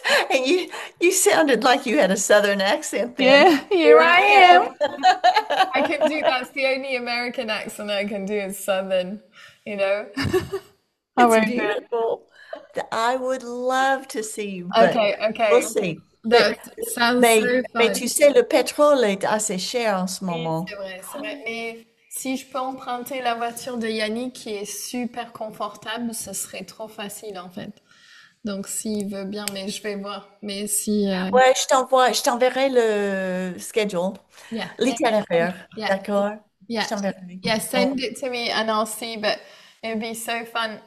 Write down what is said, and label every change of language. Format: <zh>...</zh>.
<en>And you sounded like you had a southern accent then. yeah, here Here I am. I I can do, that's the only American accent I can do is southern, you know. How are you? beautiful. I would love to see you, but we'll see. But That sounds so</en> <fr>mais tu sais, le pétrole est assez cher en ce Oui, moment. c'est vrai, c'est vrai. Mais si je peux emprunter la voiture de Yannick qui est super confortable, ce serait trop facile en fait. Donc s'il veut bien, mais je vais voir. Mais si. Ouais, je t'enverrai le schedule, l'itinéraire, d'accord? Je t'enverrai.</fr> <en>Send it to me and I'll see, but it'd be so fun.</en>